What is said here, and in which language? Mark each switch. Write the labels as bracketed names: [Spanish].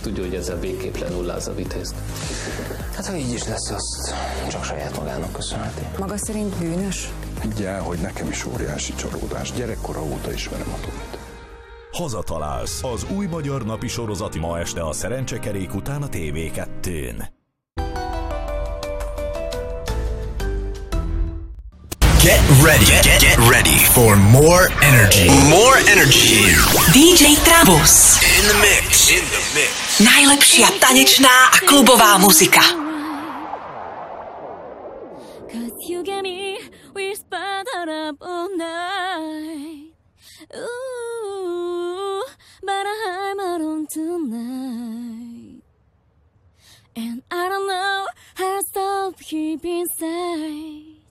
[Hungarian] Tudja, hogy ezzel végképp lenulláz a vitézt. Hát, ha így is lesz, azt csak saját magának köszönheti. Maga szerint bűnös? Higgy el, hogy nekem is óriási csalódás. Gyerekkora óta ismerem a Tomit. Hazatalálsz az új magyar napi sorozat ma este a Szerencsekerék után a TV2-n. [English] Get ready for more energy. More energy. DJ Travos. In the mix. [Slovak] Najlepšia tanečná a klubová muzika. [English] Cause you get me, we spend it up all night. But I'm alone tonight. And I don't know how to stop keep inside.